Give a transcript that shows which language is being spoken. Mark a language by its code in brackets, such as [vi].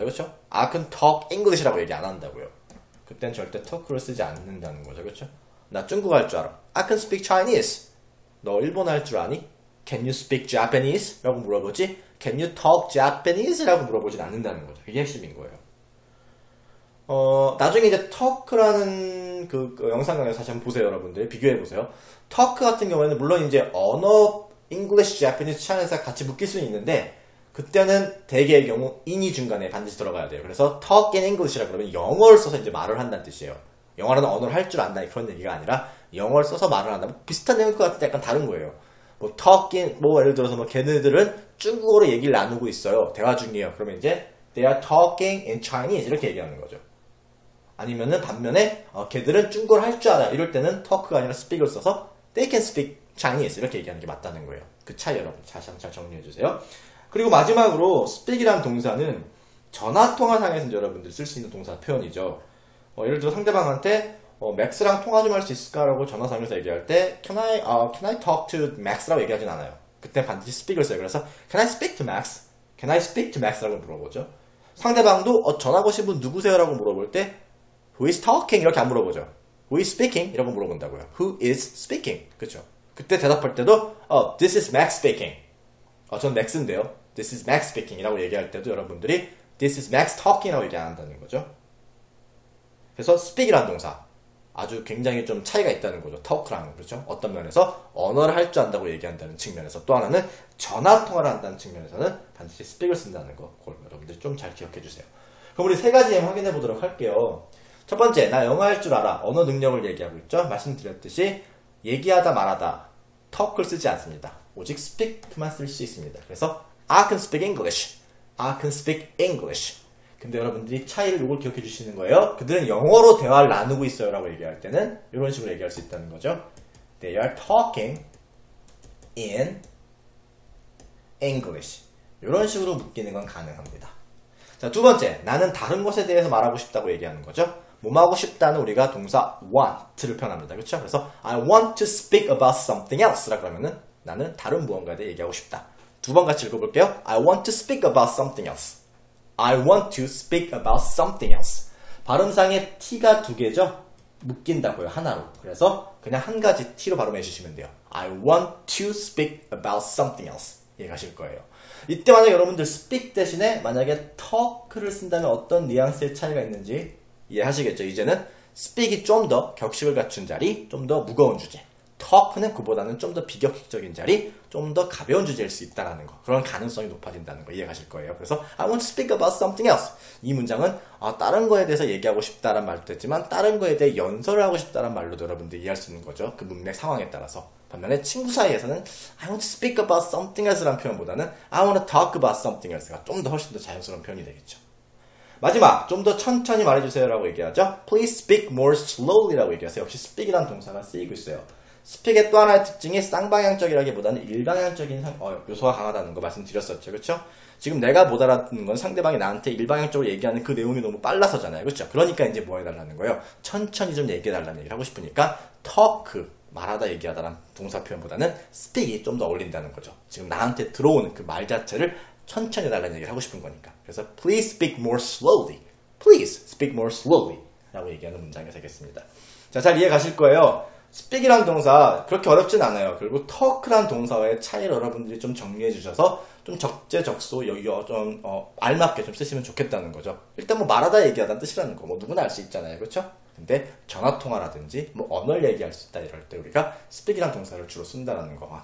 [ko] 그렇죠? [en] I can talk English [ko] 라고 얘기 안 한다고요. 그땐 절대 talk를 쓰지 않는다는 거죠. 그렇죠? 나 중국어 할 줄 알아. [en] I can speak Chinese. [ko] 너 일본어 할 줄 아니? [en] Can you speak Japanese? [ko] 라고 물어보지 [en] Can you talk Japanese? [ko] 라고 물어보진 않는다는 거죠. 이게 핵심인 거예요. 나중에 이제 talk라는 그 영상 강의 다시 한번 보세요. 여러분들 비교해 보세요. talk 같은 경우에는 물론 이제 언어 English, Japanese, China에서 같이 묶일 수는 있는데 그때는 대개의 경우 in이 중간에 반드시 들어가야 돼요. 그래서 talk in English라고 그러면 영어를 써서 이제 말을 한다는 뜻이에요. 영어라는 언어를 할 줄 안다 그런 얘기가 아니라 영어를 써서 말을 한다. 비슷한 내용일 것 같은데 약간 다른 거예요. 뭐 talking 뭐 예를 들어서 뭐 걔네들은 중국어로 얘기를 나누고 있어요. 대화 중이에요. 그러면 이제 [en] they are talking in Chinese [ko] 이렇게 얘기하는 거죠. 아니면은 반면에 걔들은 중국어를 할 줄 알아. 이럴 때는 talk가 아니라 speak을 써서 [en] they can speak Chinese [ko] 이렇게 얘기하는 게 맞다는 거예요. 그 차이 여러분 잘 정리해 주세요. 그리고 마지막으로 speak이라는 동사는 전화 통화 상에서 여러분들 쓸 수 있는 동사 표현이죠. 예를 들어 상대방한테 맥스랑 통화 좀 할 수 있을까라고 전화상에서 얘기할 때 [en] can I talk to Max [ko] 라고 얘기하진 않아요. 그때 반드시 speak을 써요. 그래서 [en] can I speak to Max? Can I speak to Max라고 [ko] 물어보죠. 상대방도 전화 거신 분 누구세요라고 물어볼 때 [en] who is talking [ko] 이렇게 안 물어보죠. [en] who is speaking [ko] 이라고 물어본다고요. [en] who is speaking [ko] 그렇죠. 그때 대답할 때도 [en] this is Max speaking. [ko] 전 Max인데요. [en] this is Max speaking이라고 [ko] 얘기할 때도 여러분들이 [en] this is Max talking이라고 [ko] 얘기 안 한다는 거죠. 그래서 speak이란 동사 아주 굉장히 좀 차이가 있다는 거죠. 터크랑 그렇죠? 어떤 면에서 언어를 할 줄 안다고 얘기한다는 측면에서 또 하나는 전화 통화를 한다는 측면에서는 반드시 스픽을 쓴다는 거 그걸 여러분들 좀 잘 기억해 주세요. 그럼 우리 세 가지 확인해 보도록 할게요. 첫 번째, 나 영어 할 줄 알아. 언어 능력을 얘기하고 있죠? 말씀드렸듯이 얘기하다 말하다 터크를 쓰지 않습니다. 오직 스픽만 쓸 수 있습니다. 그래서 [en] I can speak English. I can speak English. [ko] 근데 여러분들이 차이를 요걸 기억해 주시는 거예요. 그들은 영어로 대화를 나누고 있어요 라고 얘기할 때는 이런 식으로 얘기할 수 있다는 거죠. [en] They are talking in English. [ko] 이런 식으로 묶이는 건 가능합니다. 자, 두 번째, 나는 다른 것에 대해서 말하고 싶다고 얘기하는 거죠. 뭐하고 싶다는 우리가 동사 want를 표현합니다. 그렇죠? 그래서 [en] I want to speak about something else [ko] 라고 하면은 나는 다른 무언가에 대해 얘기하고 싶다. 두 번 같이 읽어볼게요. [en] I want to speak about something else. I want to speak about something else. [ko] 발음상에 T가 두 개죠? 묶인다고요, 하나로. 그래서 그냥 한 가지 T로 발음해주시면 돼요. [en] I want to speak about something else. [ko] 이해가실 거예요. 이때 만약 여러분들 speak 대신에 만약에 talk를 쓴다면 어떤 뉘앙스의 차이가 있는지 이해하시겠죠? 이제는 speak이 좀 더 격식을 갖춘 자리, 좀 더 무거운 주제. talk는 그보다는 좀 더 비격식적인 자리, 좀 더 가벼운 주제일 수 있다는 거. 그런 가능성이 높아진다는 거 이해하실 거예요. 그래서 [en] I want to speak about something else. [ko] 이 문장은 다른 거에 대해서 얘기하고 싶다란 말도 됐지만 다른 거에 대해 연설을 하고 싶다란 말로도 여러분들 이해할 수 있는 거죠. 그 문맥 상황에 따라서. 반면에 친구 사이에서는 [en] I want to speak about something else라는 [ko] 표현보다는 [en] I want to talk about something else가 좀 더 훨씬 더 자연스러운 표현이 되겠죠. [ko] 마지막, 좀 더 천천히 말해주세요 라고 얘기하죠. [en] Please speak more slowly [ko] 라고 얘기하세요. 역시 speak이라는 동사가 쓰이고 있어요. speak의 또 하나의 특징이 쌍방향적이라기보다는 일방향적인 요소가 강하다는 거 말씀드렸었죠. 그렇죠? 지금 내가 못 알아듣는 건 상대방이 나한테 일방향적으로 얘기하는 그 내용이 너무 빨라서잖아요. 그렇죠? 그러니까 이제 뭐 해달라는 거예요? 천천히 좀 얘기해달라는 얘기를 하고 싶으니까 talk, 말하다 얘기하다라는 동사 표현보다는 speak이 좀 더 어울린다는 거죠. 지금 나한테 들어오는 그 말 자체를 천천히 해달라는 얘기를 하고 싶은 거니까. 그래서 [en] please speak more slowly. Please speak more slowly. [ko] 라고 얘기하는 문장이 되겠습니다. 자, 잘 이해 가실 거예요. speak이란 동사 그렇게 어렵진 않아요. 그리고 talk란 동사와의 차이를 여러분들이 좀 정리해 주셔서 좀 적재적소 좀 알맞게 좀 쓰시면 좋겠다는 거죠. 일단 뭐 말하다 얘기하다는 뜻이라는 거 뭐 누구나 알 수 있잖아요. 그렇죠? 근데 전화통화라든지 뭐 언어를 얘기할 수 있다 이럴 때 우리가 speak이란 동사를 주로 쓴다는 거.